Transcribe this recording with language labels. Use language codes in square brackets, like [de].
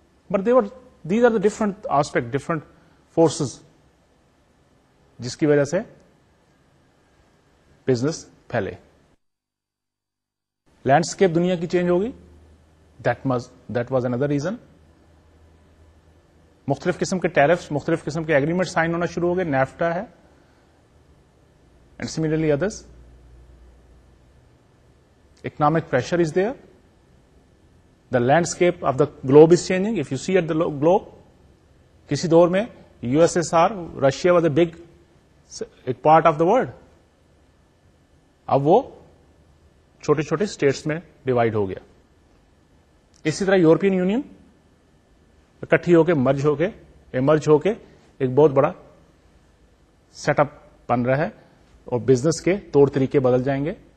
[en] But these are the different aspects, different forces, [ur] jiski wajah se business phele. [en] Landscape [ur] duniya ki [en] change [ur] hogi, [en] that was another reason. [ur] مختلف قسم کے tariffs, مختلف قسم کے agreement sign ہونا شروع ہو گئے, نیفٹا ہے [en] And similarly others. Economic pressure is there, the landscape of the globe is changing. If you see at the globe, [ur] کسی دور میں [en] U S S R, Russia was a big ایک part of the world, [ur] اب وہ چھوٹے چھوٹے status میں divide ہو گیا. اسی طرح یورپین یونین اکٹھی ہو کے مرج ہو کے ایمرج ہو کے ایک بہت بڑا سیٹ اپ بن رہا ہے, اور بزنس کے طور طریقے بدل جائیں گے.